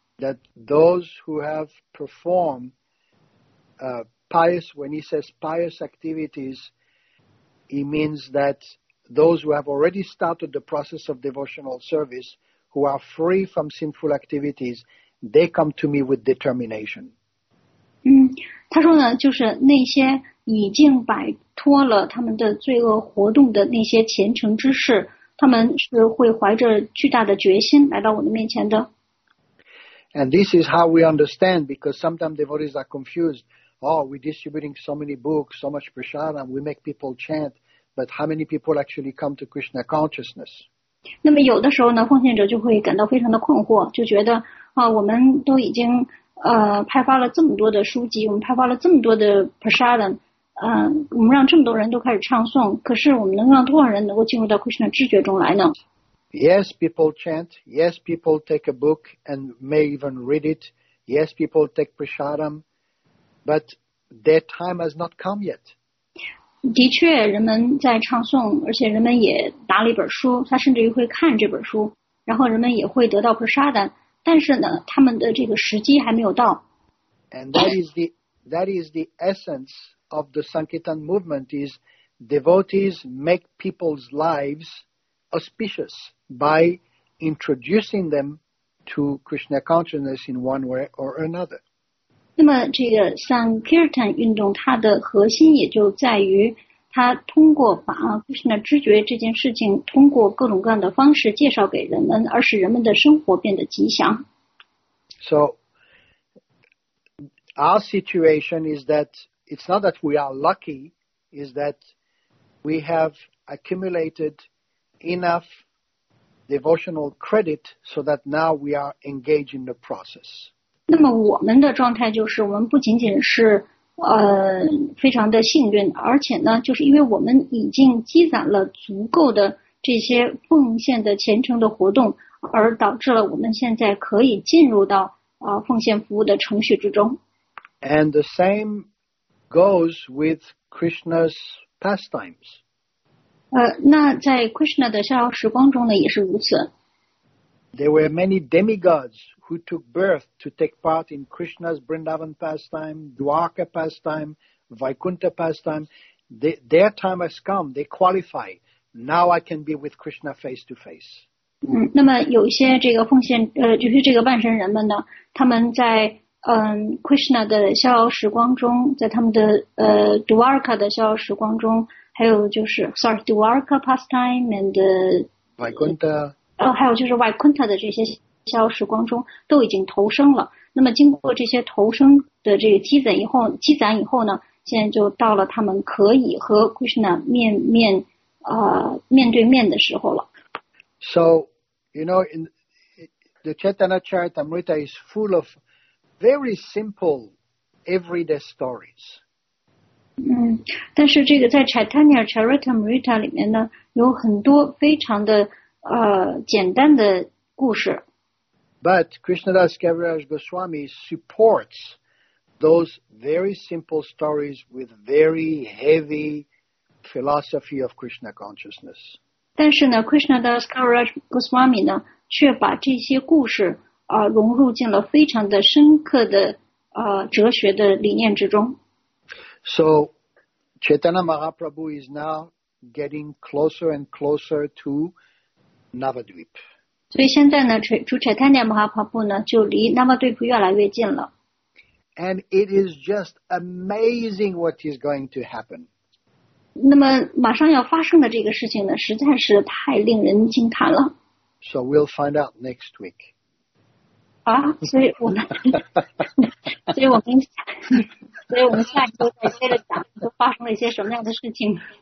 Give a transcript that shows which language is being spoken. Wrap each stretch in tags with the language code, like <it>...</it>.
<en>That those who have performed pious, when he says pious activities, he means that. Those who have already started the process of devotional service, who are free from sinful activities, they come to me with determination.</en> <zh>嗯，他说呢，就是那些已经摆脱了他们的罪恶活动的那些虔诚之士，他们是会怀着巨大的决心来到我的面前的。</zh> <en>And this is how we understand, because sometimes devotees are confused. Oh, we're distributing so many books, so much prasadam, we make people chant. But how many people actually come to Krishna consciousness?</en> <zh>那么有的时候呢，奉献者就会感到非常的困惑，就觉得啊，我们都已经派发了这么多的书籍，我们派发了这么多的 prasadam， 我们让这么多人都开始唱诵，可是我们能让多少人能够进入到 Krishna 知觉中来呢</zh> <en>？Yes, people chant. Yes, people take a book and may even read it. Yes, people take prasadam, but their time has not come yet.</en> <zh>的确，人们在唱诵，而且人们也拿了一本书，他甚至于会看这本书，然后人们也会得到 prasadam， 但是呢，他们的这个时机还没有到。</zh> <en>And that is the essence of the Sankirtan movement is devotees make people's lives auspicious by introducing them to Krishna consciousness in one way or another.</en> <zh>那么这个 Sankirtan 运动它的核心也就在于它通过把 Krishna 知觉这件事情通过各种各样的方式介绍给人们而使人们的生活变得吉祥。</zh> <en>So, our situation is that it's not that we are lucky, is that we have accumulated enough devotional credit so that now we are engaged in the process.</en> <zh>那么我们的状态就是我们不仅仅是非常的幸运，而且呢就是因为我们已经积攒了足够的这些奉献的虔诚的活动，而导致了我们现在可以进入到奉献服务的程序之中。</zh> <en>And the same goes with Krishna's pastimes.</en> <zh>那在 Krishna 的逍遥时光中呢，也是如此。</zh> <en>There were many demigods who took birth to take part in Krishna's Vrindavan pastime, Dwarka pastime, Vaikuntha pastime. Their time has come. They qualify. Now I can be with Krishna face to face.</en> <zh>那么有些这个奉献就是这个半神人们呢，他们在Krishna 的逍遥时光中，在他们的Dwarka 的逍遥时光中，还有就是</zh> <en>Dwarka pastime and</en> <zh>Vaikuntha。还有就是 Vaikuntha 的这些逍遥时光中都已经投生了。那么经过这些投生的这个积攒以后呢，现在就到了他们可以和 Krishna 面对面的时候了。</zh> <en>So, you know, in the Chaitanya Charitamrita is full of very simple everyday stories.</en> <zh>但是这个在 Chaitanya Charitamrita 里面呢，有很多非常的简单的故事。</zh> <en>But Krishnadas Kaviraj Goswami supports those very simple stories with very heavy philosophy of Krishna consciousness.</en> <zh>但是呢 ，Krishnadas Kaviraj Goswami 呢，却把这些故事融入进了非常的深刻的哲学的理念之中。</zh> <en>So, Chaitanya Mahaprabhu is now getting closer and closer to. Navadvip.</en> <zh>所以现在呢，主柴坦尼亚马哈帕布呢，就离纳瓦迪普越来越近了。</zh> <en>And it is just amazing what is going to happen.</en> <zh>那么马上要发生的这个事情呢，实在是太令人惊叹了。</zh> <en>So we'll find out next week.</en> <zh>啊，所以我们下一周再接着讲，都发生了一些什么样的事情。</zh>